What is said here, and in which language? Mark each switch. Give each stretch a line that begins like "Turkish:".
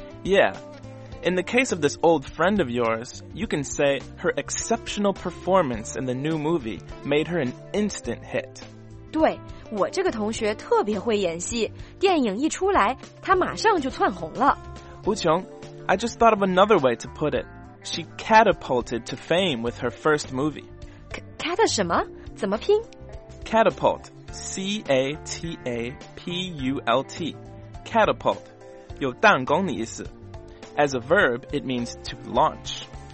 English: Yeah In the case of this old friend of yours, you can say her exceptional performance in the new movie made her an instant hit.
Chinese: 对，我这个同学特别会演戏，电影一出来，她马上就窜红了。
English: 吴琼 I just thought of another way to put it. She catapulted to fame with her first movie.
Chinese: Catapult 什么？怎么拼？
English: Catapult, C-A-T-A-P-U-L-T, catapult,
Chinese: 有弹弓的意思。
English: As a verb, it means to launch.